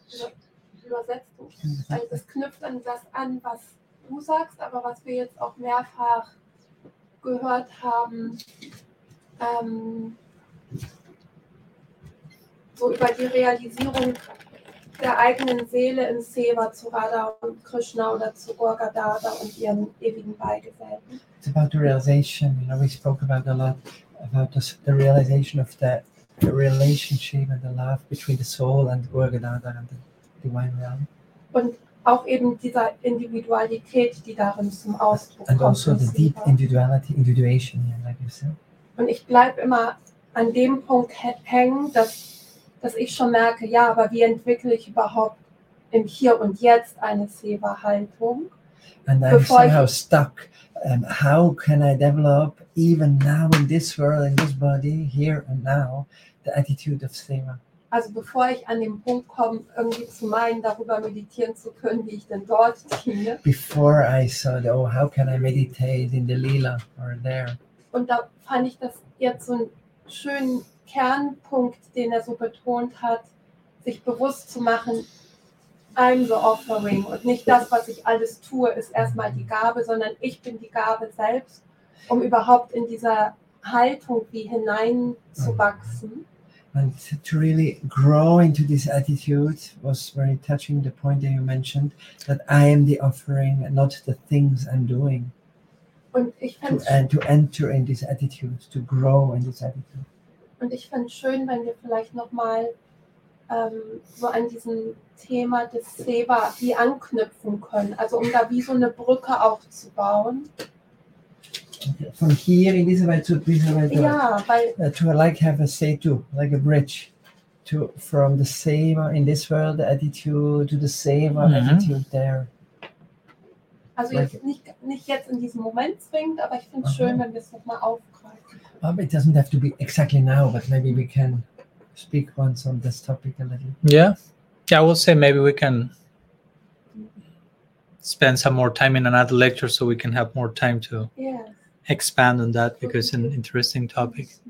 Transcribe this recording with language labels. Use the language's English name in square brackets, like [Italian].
[German] Das knüpft an das an, was du sagst, aber was wir jetzt auch mehrfach gehört haben. So über die Realisierung der eigenen Seele in Seva zu Radha und Krishna oder zu Gurgadada und ihren ewigen Beigesellten. [English] It's about the realization, you know, we spoke about a lot about the realization of the relationship and the love between the soul and Gurgadada and the divine realm. [German] Und auch eben dieser Individualität, die darin zum Ausdruck kommt. [English] And also the deep individuation, yeah, like you said. [German] Und ich bleibe immer an dem Punkt hängen, dass ich schon merke, ja, aber wie entwickle ich überhaupt im Hier und Jetzt eine Seva-Haltung? [English] And I'm somehow stuck. How can I develop, even now in this world, in this body, here and now, the attitude of Seva? [German] Also bevor ich an den Punkt komme, irgendwie zu meinen, darüber meditieren zu können, wie ich denn dort diene. [English] Before I thought, oh, how can I meditate in the Lila or there? [German] Und da fand ich das jetzt so ein schönen Kernpunkt, den so betont hat, sich bewusst zu machen, [English] I'm the offering [German] und nicht das, was ich alles tue, ist erstmal die Gabe, sondern ich bin die Gabe selbst, um überhaupt in dieser Haltung wie hineinzuwachsen. [English] And to really grow into this attitude was very touching, the point that you mentioned, that I am the offering and not the things I'm doing. [German] Und ich fand [English] to enter in this attitude, to grow in this attitude. [German] Und ich fände es schön, wenn wir vielleicht nochmal so an diesem Thema des Seva wie anknüpfen können, also um da wie so eine Brücke aufzubauen. Von hier in dieser Welt zu dieser Welt. Ja, weil [English] to like have a say to, like a bridge, to from the Seva in this world attitude to the Seva attitude there. [German] Also like jetzt nicht jetzt in diesem Moment zwingend, aber ich finde es schön, wenn wir es nochmal aufgreifen. [English] It doesn't have to be exactly now, but maybe we can speak once on this topic a little. Yeah, I will say maybe we can spend some more time in another lecture so we can have more time to expand on that, because it's an interesting topic.